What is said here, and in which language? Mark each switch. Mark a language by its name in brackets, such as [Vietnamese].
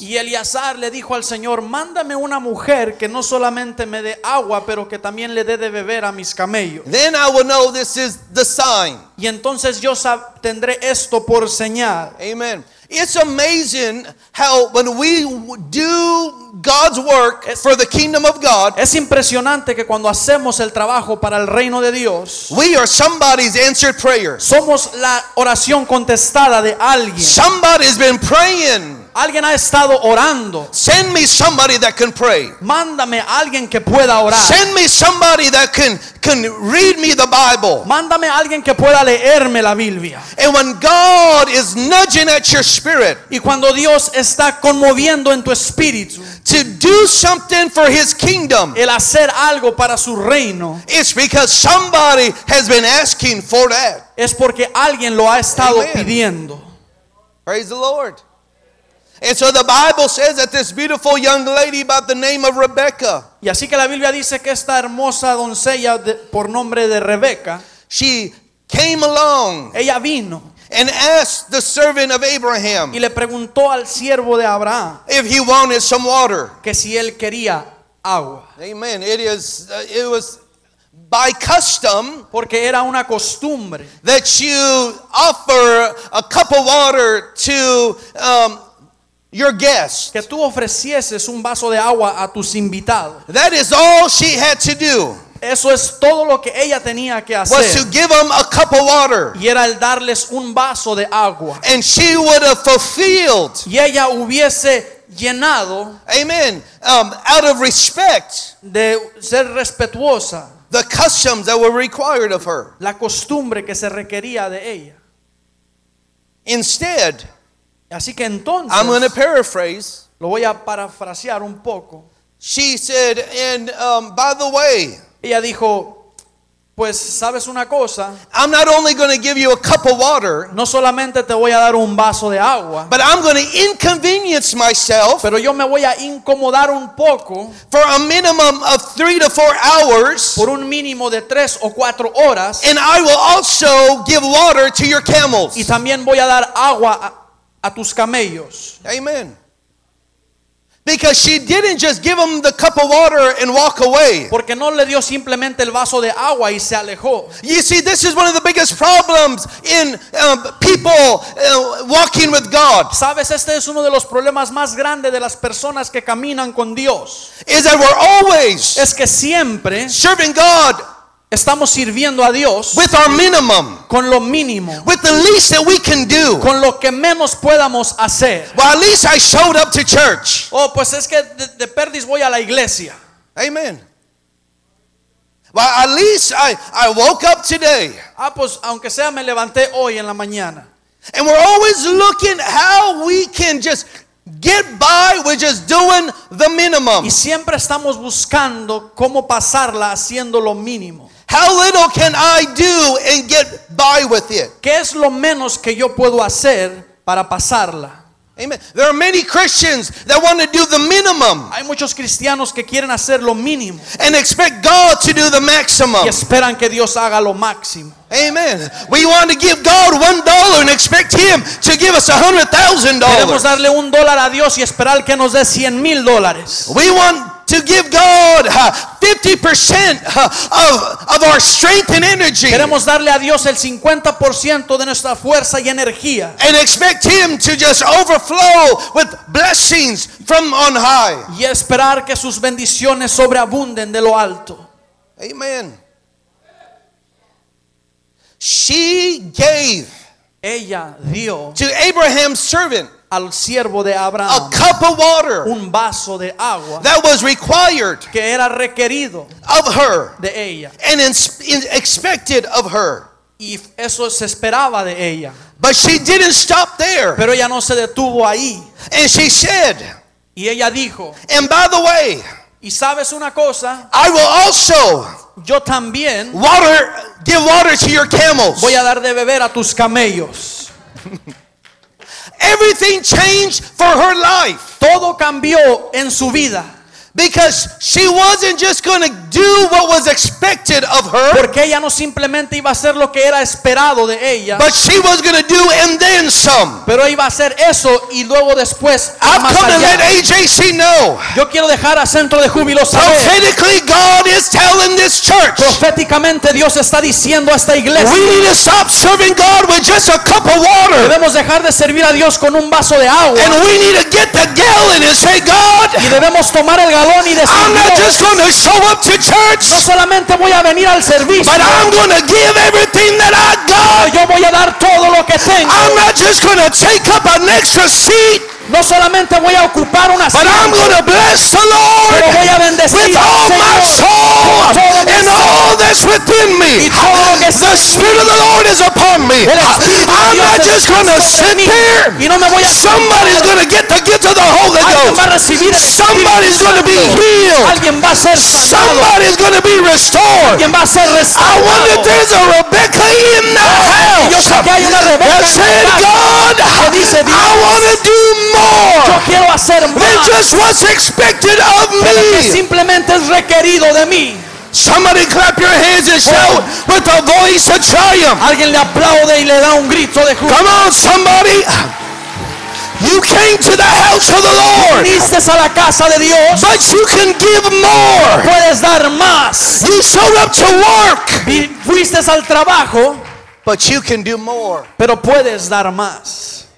[Spanish] Y Eleazar le dijo al Señor, mándame una mujer que no solamente me dé agua, pero que también le dé de beber a mis camellos. [English] Then I will know this is the sign. [Spanish] Y entonces yo tendré esto por señal. [English] Amen. It's amazing how when we do God's work for the kingdom of God, [Spanish] es impresionante que cuando hacemos el trabajo para el reino de Dios, [English] we are somebody's answered prayer. [Spanish] Somos la oración contestada de alguien. [English] Somebody's been praying. [Spanish] Alguien ha estado orando. [English] Send me somebody that can pray. [Spanish] Mándame a alguien que pueda orar. [English] Send me somebody that can read me the Bible. [Spanish] Mándame a alguien que pueda leerme la Biblia. [English] And when God is nudging at your spirit, [Spanish] y cuando Dios está conmoviendo en tu espíritu, [English] to do something for his kingdom, [Spanish] el hacer algo para su reino, [English] it's because somebody has been asking for that. [Spanish] Es porque alguien lo ha estado pidiendo. [English] Praise the Lord. And so the Bible says that this beautiful young lady by the name of Rebecca. [Spanish] Y así que la Biblia dice que esta hermosa doncella por nombre de Rebeca, [English] she came along. [Spanish] Ella vino. [English] And asked the servant of Abraham. [Spanish] Y le preguntó al siervo de Abraham. [English] If he wanted some water. [Spanish] Que si él quería agua. [English] Amen. It was by custom, [Spanish] porque era una costumbre, [English] that you offer a cup of water to your guest. [Spanish] Que tú ofrecieses un vaso de agua a tus invitados. [English] That is all she had to do. [Spanish] Eso es todo lo que ella tenía que hacer. [English] Was to give them a cup of water. [Spanish] Y era el darles un vaso de agua. [English] And she would have fulfilled. [Spanish] Y ella hubiese llenado. [English] Amen. Out of respect. [Spanish] De ser respetuosa. [English] The customs that were required of her. [Spanish] La costumbre que se requería de ella. [English] Instead. [Spanish] Así que entonces, [English] I'm going to paraphrase. [Spanish] Lo voy a parafrasear un poco. [English] She said, and by the way, [Spanish] ella dijo, pues sabes una cosa, [English] I'm not only going to give you a cup of water, [Spanish] no solamente te voy a dar un vaso de agua, [English] but I'm going to inconvenience myself, [Spanish] pero yo me voy a incomodar un poco, [English] for a minimum of 3 to 4 hours, [Spanish] por un mínimo de 3 o 4 horas, [English] and I will also give water to your camels, [Spanish] y también voy a dar agua a a tus camellos. [English] Amen. Because she didn't just give him the cup of water and walk away. [Spanish] Porque no le dio simplemente el vaso de agua y se alejó. [English] You see, this is one of the biggest problems in people walking with God. [Spanish] Sabes, este es uno de los problemas más grandes de las personas que caminan con Dios. [English] Is that we're always [Spanish] es que siempre [English] serving God. [Spanish] Estamos sirviendo a Dios [English] with our minimum, [Spanish] con lo mínimo, [English] with the least that we can do, [Spanish] con lo que menos podamos hacer. [English] Well, at least I showed up to church. [Spanish] Oh, pues es que de perdiz voy a la iglesia. [English] Amen. Well, at least I woke up today. [Spanish] Ah, pues aunque sea me levanté hoy en la mañana. [English] And we're always looking how we can just get by with just doing the minimum. [Spanish] Y siempre estamos buscando cómo pasarla haciendo lo mínimo. [English] How little can I do and get by with it? [Spanish] ¿Qué es lo menos que yo puedo hacer para pasarla? [English] Amen. There are many Christians that want to do the minimum. [Spanish] Hay muchos cristianos que quieren hacer lo mínimo. [English] And expect God to do the maximum. [Spanish] Y esperan que Dios haga lo máximo. [English] Amen. We want to give God $1 and expect Him to give us $100,000. [Spanish] Queremos darle un dólar a Dios y esperar que nos dé $100,000. [English] We want to give God 50% of our strength and energy. [Spanish] Queremos darle a Dios el 50% de nuestra fuerza y energía. [English] And expect Him to just overflow with blessings from on high. [Spanish] Y esperar que sus bendiciones sobreabunden de lo alto. [English] Amen. She gave. [Spanish] Ella dio. [English] To Abraham's servant. [Spanish] Al siervo de Abraham, [English] a cup of water, [Spanish] un vaso de agua, [English] that was required, [Spanish] que era requerido, [English] of her, [Spanish] de ella, [English] and expected of her. [Spanish] Y eso se esperaba de ella. [English] But she didn't stop there. [Spanish] Pero ella no se detuvo ahí. [English] And she said, [Spanish] y ella dijo, [English] and by the way, [Spanish] y sabes una cosa, [English] I will also, [Spanish] yo también, [English] water, give water to your camels. [Spanish] Voy a dar de beber a tus camellos. [English] Everything changed for her life. [Spanish] Todo cambió en su vida. [English] Because she wasn't just going to do what was expected of her. [Spanish] Porque ella no simplemente iba a hacer lo que era esperado de ella. [English] But she was going to do and then some. [Spanish] Pero iba a hacer eso y luego después más allá. [English] I've come to let AJC know. [Spanish] Yo quiero dejar a Centro de Júbilo saber. [English] Prophetically, God is telling this church. [Spanish] Proféticamente Dios está diciendo a esta iglesia. [English] We need to stop serving God with just a cup of water. [Spanish] Debemos dejar de servir a Dios con un vaso de agua. [English] And we need to get the gallon and say, God. [Spanish] Y debemos tomar el galón y decir, [English] I'm not just going to show up to church. [Spanish] No solamente voy a venir al servicio. [English] But I'm going to give everything that I got. [Spanish] Yo voy a dar todo lo que tengo. [English] I'm not just going to take up an extra seat. [Spanish] No solamente voy a ocupar una silla. [English] But I'm going to bless the Lord. [Spanish] Voy a bendecir [English] with all my soul and all that's within me. The Spirit of the Lord is upon me. I'm not just going to sit here. [Spanish] Y no me voy a [English] Somebody's going to get the gift of the Holy Ghost. Somebody's going to be healed. Somebody's going to be restored. I wonder if there's a Rebecca in the house that said, God, I want to do more than just what's expected of me. [Spanish] Simplemente es requerido de mí. [English] Somebody clap your hands and shout with a voice of triumph. [Spanish] Alguien le aplaude y le da un grito de júbilo. [English] Come on, somebody. You came to the house of the Lord. [Spanish] Viniste a la casa de Dios. [English] But you can give more. [Spanish] Puedes dar más. [English] You showed up to work. [Spanish] Fuiste al trabajo. [English] But you can do more. [Spanish] Pero puedes dar más.